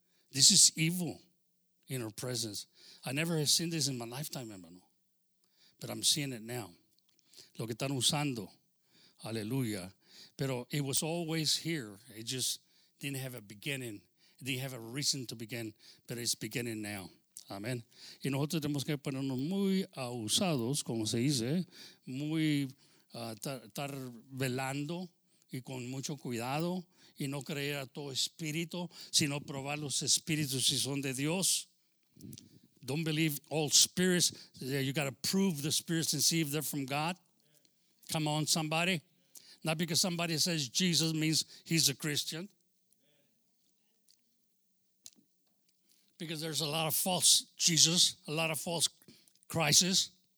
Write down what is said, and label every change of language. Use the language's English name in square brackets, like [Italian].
[English] This is evil in our presence. I never have seen this in my lifetime, hermano. But I'm seeing it now. [Spanish] Lo que están usando. [English] Hallelujah. Pero it was always here. It just didn't have a beginning. It didn't have a reason to begin, but it's beginning now. Amen. [Spanish] Y nosotros tenemos que ponernos muy abusados, como se dice, muy estar velando y con mucho cuidado y no creer a todo espíritu, sino probar los espíritus si son de Dios. [English] Don't believe all spirits. You got to prove the spirits and see if they're from God. Come on, somebody. Not because somebody says Jesus means he's a Christian. Because there's a lot of false Jesus, a lot of false Christs.